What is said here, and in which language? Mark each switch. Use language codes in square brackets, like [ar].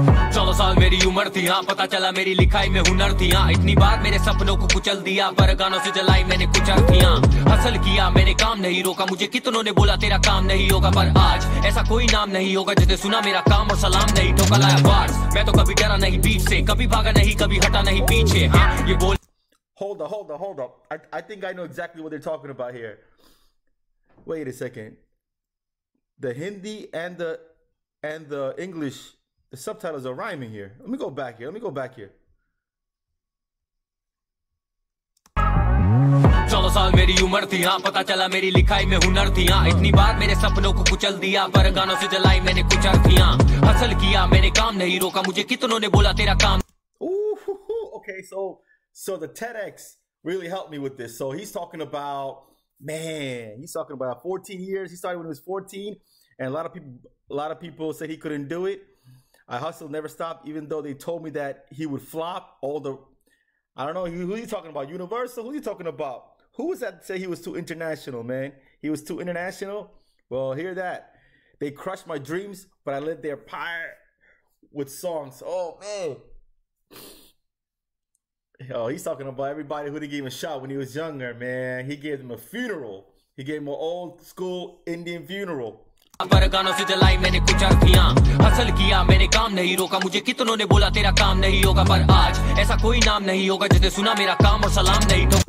[hi] चलो साल मेरी उम्र थी, हाँ पता चला मेरी लिखाई में हुनर थी, हाँ इतनी बार मेरे सपनों को कुचल दिया, पर गानों से जलाई मैंने कुछ अर्थियाँ, हसल किया मैंने काम नहीं रोका, मुझे कितनों ने बोला तेरा काम नहीं होगा, पर आज ऐसा कोई नाम नहीं होगा जिसने सुना मेरा काम और सलाम नहीं ठोका लाया बार, मैं तो कभी डरा नहीं बीच से, कभी भागा नहीं, कभी हटा नहीं पीछे, हाँ ये बोल. [en] Hold up. I think I know exactly what they're talking about here. Wait a second. The Hindi and the English, the subtitles are rhyming here. Let me go back here. [hi] चौदह साल मेरी उम्र थी, हाँ पता चला मेरी लिखाई में हुनर थी, हाँ इतनी बार मेरे सपनों को कुचल दिया, पर गानों से जलाई मैंने कुछ अर्थियाँ, हसल किया मैंने काम नहीं रोका, मुझे कितनों ने बोला तेरा काम. [en] Okay, so the TEDx really helped me with this. So he's talking about 14 years. He started when he was 14, and a lot of people said he couldn't do it. I hustled, never stopped, even though they told me that he would flop. I don't know, who are you talking about? Universal? Who are you talking about? Who was that say he was too international, man? He was too international? Well, hear that. They crushed my dreams, but I lit their pyre with songs. Oh, man. Oh, he's talking about everybody who didn't give him a shot when he was younger, man. He gave them a funeral. He gave them an old school Indian funeral. [hi] पर गानों से जलाई मैंने कुछ अर्थियाँ, hustle किया मैंने काम नहीं रोका, मुझे कितनों ने बोला तेरा काम नहीं होगा, पर आज ऐसा कोई नाम नहीं होगा जिसने सुना मेरा काम और सलाम नहीं.